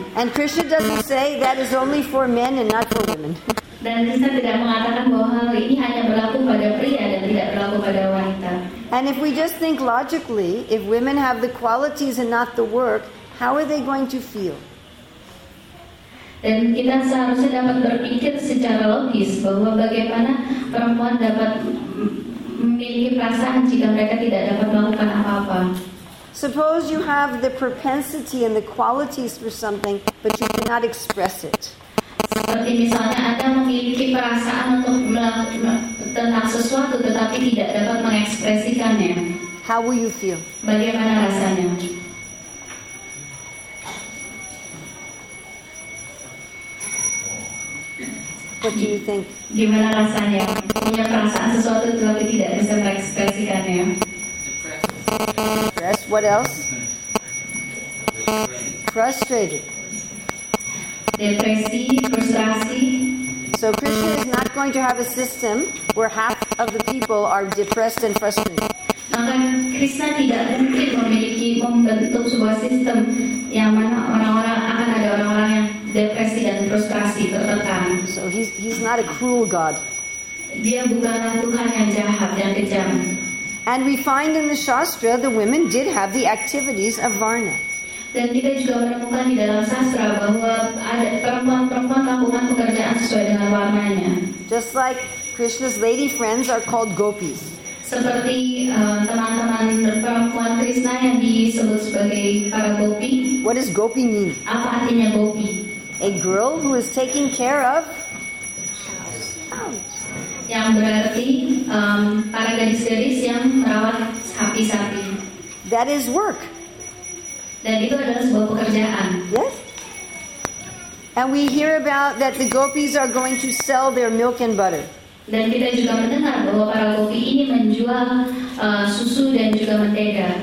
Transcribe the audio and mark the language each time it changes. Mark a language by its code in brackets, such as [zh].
[en] And Krishna doesn't say that is only for men and not for women. [id] Dan Krishna tidak mengatakan bahwa hal ini hanya berlaku pada pria dan tidak berlaku pada wanita. [en] And if we just think logically, if women have the qualities and not the work, how are they going to feel? [id] Dan kita seharusnya dapat berpikir secara logis bahwa bagaimana perempuan dapat memiliki perasaan jika mereka tidak dapat melakukan apa-apa. [en] Suppose you have the propensity and the qualities for something, but you cannot express it. [id] Seperti misalnya Anda memiliki perasaan untuk melakukan tentang sesuatu, tetapi tidak dapat mengekspresikannya. [en] How will you feel? [id] Bagaimana rasanya? [en] What do you think? [id] Gimana rasanya? Punya perasaan sesuatu tetapi tidak bisa mengekspresikannya. [en] Depressed. What else? Frustrated. [id] Depresi, frustrasi. [en] So Krishna is not going to have a system where half of the people are depressed and frustrated. [id] Maka Krishna tidak mungkin memiliki membentuk sebuah sistem yang mana ada orang-orang yang depresi dan frustrasi tertekan. [en] So he's not a cruel god. [id] Dia bukanlah Tuhan yang jahat dan kejam. [en] And we find in the Shastra the women did have the activities of varna. [id] Dan kita juga menemukan di dalam sastra bahwa ada perempuan-perempuan melakukan pekerjaan sesuai dengan warnanya. [en] Just like Krishna's lady friends are called gopis. [id] Seperti teman-teman perempuan Krishna yang disebut sebagai para gopi. [en] What does gopi mean? [id] Apa artinya gopi? [en] A girl who is taking care of cows. [id] Yang berarti para gadis-gadis yang merawat sapi-sapi. [en] That is work. [id] Dan itu adalah sebuah pekerjaan. [en] Yes. And we hear about that the gopis are going to sell their milk and butter. [id] Dan kita juga mendengar bahwa para gopi ini menjual susu dan juga mentega.